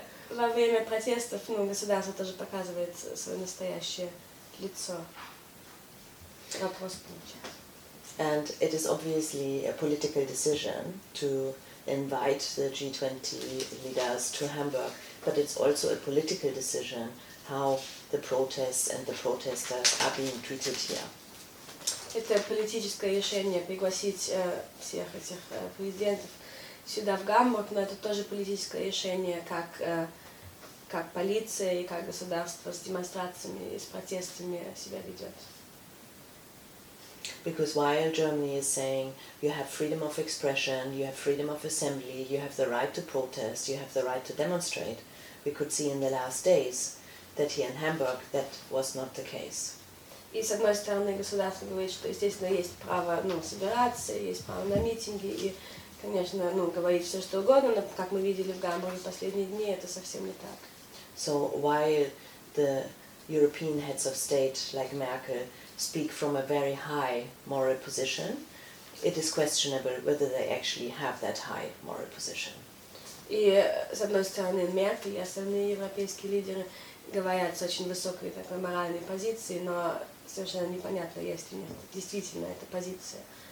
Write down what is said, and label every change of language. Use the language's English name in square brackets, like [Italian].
[Russian] Во время протестов, ну, государство тоже показывает свое настоящее лицо. Вопрос получается. [English] And it is obviously a political decision to invite the G20 leaders to Hamburg, but it's also a political decision how the protests and the protesters are being treated here. [Russian] Это политическое решение пригласить всех этих президентов сюда в Гамбург, но это тоже политическое решение, как полиция и как государство с демонстрациями и с протестами себя ведет. [English] Because while Germany is saying you have freedom of expression, you have freedom of assembly, you have the right to protest, you have the right to demonstrate, we could see in the last days that here in Hamburg that was not the case. [Russian] И с одной стороны, государство говорит, что, естественно, есть право, ну, собираться, есть право на митинги и, конечно, ну, говорить все, что угодно, но, как мы видели в Гамбурге в последние дни, это совсем не так. [English] So, while the European heads of state, like Merkel, speak from a very high moral position, it is questionable whether they actually have that high moral position. [Russian] И с одной стороны, Меркель и остальные европейские лидеры говорят с очень высокой такой моральной позицией, но совершенно непонятно, есть ли у них действительно эта позиция.